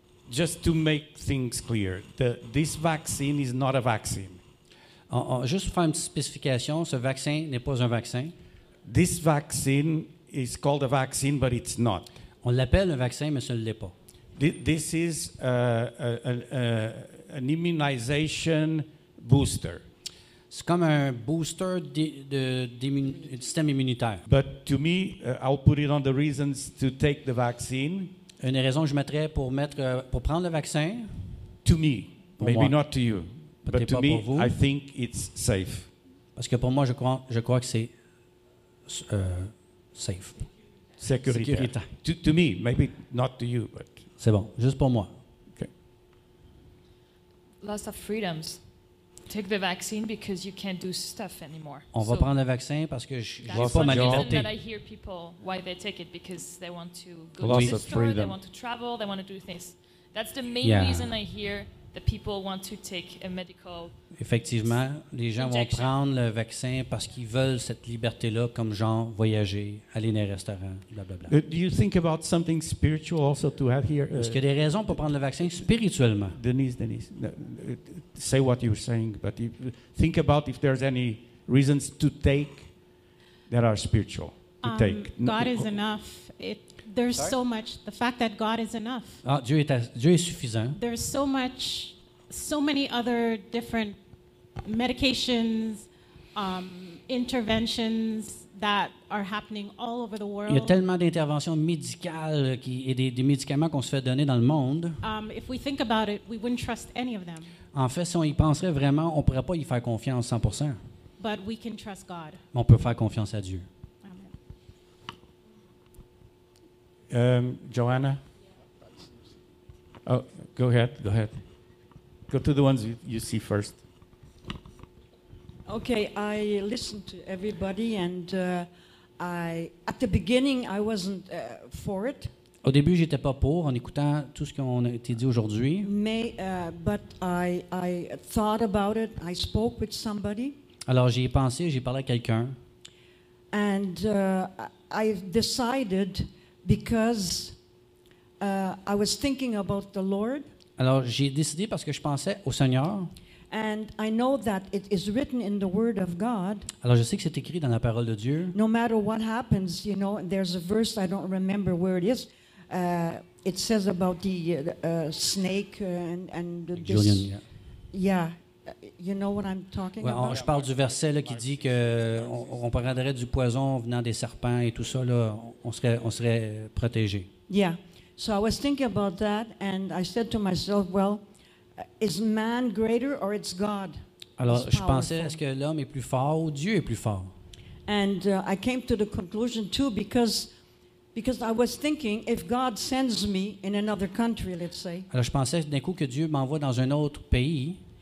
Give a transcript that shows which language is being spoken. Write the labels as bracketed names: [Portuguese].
[English] Just to make things clear, this vaccine is not a vaccine. [French] Juste pour faire une petite spécification, ce vaccin n'est pas un vaccin. [English] This vaccine is called a vaccine, but it's not. [French] On l'appelle un vaccin, mais ce ne l'est pas. [English] This is an immunization booster. [French] C'est comme un booster de système immunitaire. [English] But to me, I'll put it on the reasons to take the vaccine. [French] Une raison que je mettrais pour prendre le vaccin. [English] To me, [French] pour [English] maybe [French] moi. [English] Not to you, [French] peut-être [English] but to me, [French] vous. [English] I think it's safe. [French] Parce que pour moi, je crois que c'est safe. Sécuritaire. [English] To me, maybe not to you, but. [French] C'est bon, juste pour moi. [English] Okay. Loss of freedoms. Take the vaccine because you can't do stuff anymore. [French] On va prendre le vaccin parce que je n'ai pas ma liberté. [English] That I hear people why they take it because they want to go to the store, they want to travel, they want to do things. That's the main reason I hear that people want to take a medical [French] Effectivement, les gens [English] injection. [French] Vont prendre le vaccin parce qu'ils veulent cette liberté-là, comme genre voyager, aller dans un restaurant, blablabla. [English] Do you think about something spiritual also to have here? [French] Est-ce qu'il y a des raisons pour prendre le vaccin spirituellement? [English] Denise, say what you're saying, but if, think about if there's any reasons to take that are spiritual. God is enough. There's Sorry? So much. The fact that God is enough. [French] Ah, Dieu est suffisant. [English] There's so much, so many other different medications, interventions that are happening all over the world. [French] Il y a tellement d'interventions médicales qui et des médicaments qu'on se fait donner dans le monde. [English] If we think about it, we wouldn't trust any of them. [French] En fait, si on y penserait vraiment, on pourrait pas y faire confiance 100%. [English] But we can trust God. [French] On peut faire confiance à Dieu. [English] Joanna? Oh, go ahead. Go to the ones you see first. Okay, I listened to everybody and at the beginning I wasn't for it. [French] Au début, j'étais pas pour en écoutant tout ce qu'on a été dit aujourd'hui. Mais, [English] but I thought about it. I spoke with somebody. [French] Alors j'y ai pensé, j'ai parlé à quelqu'un. [English] And I decided because I was thinking about the Lord. [French] Alors j'ai décidé parce que je pensais au Seigneur. [English] And I know that it is written in the Word of God. [French] Alors je sais que c'est écrit dans la parole de Dieu. [English] No matter what happens, you know, there's a verse I don't remember where it is. It says about the snake and the Julian, this. Yeah. You know what I'm talking [French] ouais, [English] about? [French] Je parle du verset là, qui dit qu'on prendrait du poison venant des serpents et tout ça, là, on serait protégé. [English] Yeah. So I was thinking about that and I said to myself, well, is man greater or it's God? [French] Alors, je pensais, est-ce que l'homme est plus fort ou Dieu est plus fort? [English] And I came to the conclusion too because I was thinking, if God sends me in another country, let's say. [French] Alors, je pensais d'un coup que Dieu m'envoie dans un autre pays.